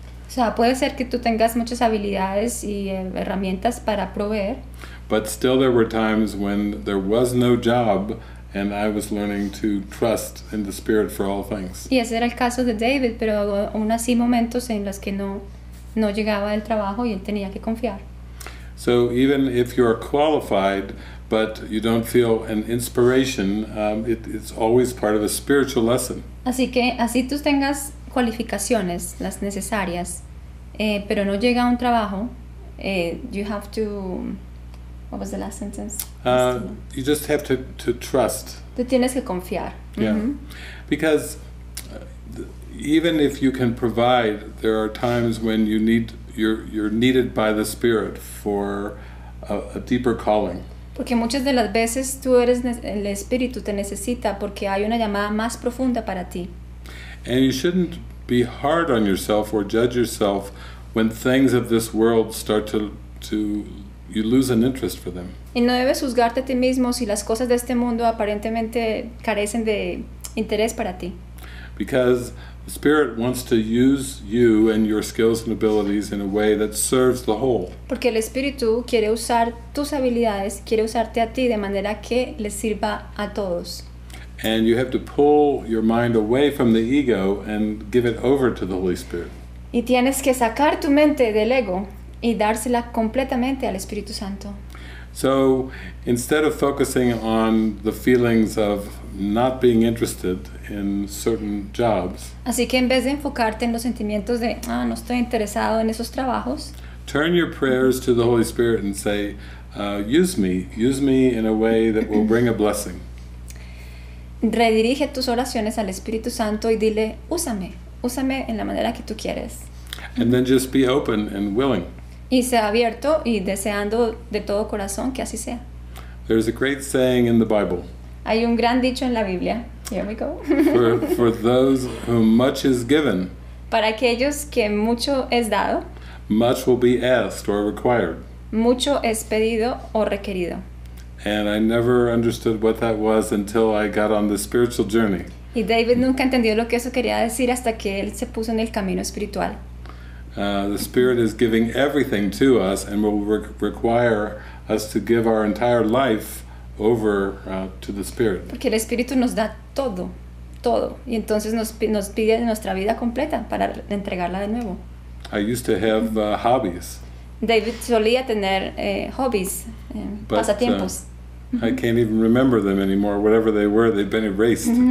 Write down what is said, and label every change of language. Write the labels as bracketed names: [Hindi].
[Spanish] O sea, puede ser que tú tengas muchas habilidades y herramientas para proveer. [English] But still there were times when there was no job and I was learning to trust in the Spirit for all things. [Spanish] Y ese era el caso de David, pero aún así momentos en los que no llegaba el trabajo y él tenía que confiar. [English] So even if you're qualified but you don't feel an inspiration, it's always part of a spiritual lesson. [Spanish] Así que así tú tengas cualificaciones, las necesarias, pero no llega a un trabajo, [English] you have to, what was the last sentence? You just have to trust. [Spanish] Tú tienes que confiar. [English] Yeah, because even if you can provide, there are times when you're needed by the Spirit for a deeper calling. [Spanish] Porque muchas de las veces tú eres, el Espíritu te necesita porque hay una llamada más profunda para ti. [English] And you shouldn't be hard on yourself or judge yourself when things of this world start to you lose an interest for them. [Spanish] Y no debes juzgarte a ti mismo si las cosas de este mundo aparentemente carecen de interés para ti. [English] Because the Spirit wants to use you and your skills and abilities in a way that serves the whole. [Spanish] Porque el Espíritu quiere usar tus habilidades, quiere usarte a ti de manera que les sirva a todos. [English] And you have to pull your mind away from the ego and give it over to the Holy Spirit. [Spanish] Y tienes que sacar tu mente del ego y dársela completamente al Espíritu Santo. [English] So instead of focusing on the feelings of not being interested in certain jobs, [Spanish] así que en vez de enfocarte en los sentimientos de no estoy interesado en esos trabajos, [English] turn your prayers to the Holy Spirit and say, use me in a way that will bring a blessing. [Spanish] Redirige tus oraciones al Espíritu Santo y dile, úsame en la manera que tú quieres. [English] And then just be open and willing. [Spanish] Y sea abierto y deseando de todo corazón que así sea. [English] There's a great saying in the Bible. [Spanish] Hay un gran dicho en la Biblia. [English] Here we go. For those whom much is given, [Spanish] para aquellos que mucho es dado, [English] much will be asked or required. [Spanish] Mucho es pedido o requerido. [English] And I never understood what that was until I got on the spiritual journey. [Spanish] Y David nunca entendió lo que eso quería decir hasta que él se puso en el camino espiritual. [English] The Spirit is giving everything to us and will require us to give our entire life over to the Spirit. [Spanish] Porque el Espíritu nos da todo, todo. Y entonces nos pide nuestra vida completa para entregarla de nuevo. [English] I used to have hobbies. [Spanish] David solía tener hobbies, pasatiempos. [English] I can't even remember them anymore. Whatever they were, they've been erased.